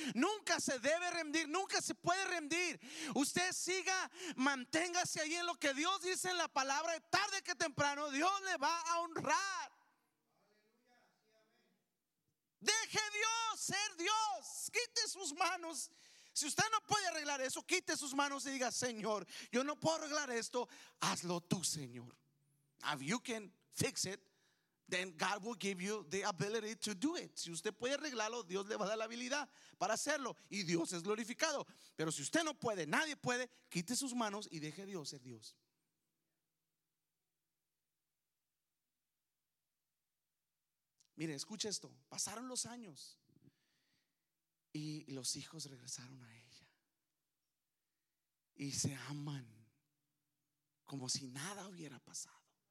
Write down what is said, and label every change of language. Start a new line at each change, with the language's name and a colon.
Spanish: Nunca se debe rendir, nunca se puede rendir. Usted siga, manténgase ahí en lo que Dios dice en la palabra. Tarde que temprano Dios le va a honrar. Deje Dios ser Dios. Quite sus manos. Si usted no puede arreglar eso, quite sus manos y diga: Señor, yo no puedo arreglar esto. Hazlo tú, Señor.
English: If you can fix it, then God will give you the ability to do it.
Spanish: Si usted puede arreglarlo, Dios le va a dar la habilidad para hacerlo y Dios es glorificado. Pero si usted no puede, nadie puede, quite sus manos y deje Dios ser Dios. Mire, escuche esto. Pasaron los años y los hijos regresaron a ella y se aman como si nada hubiera pasado.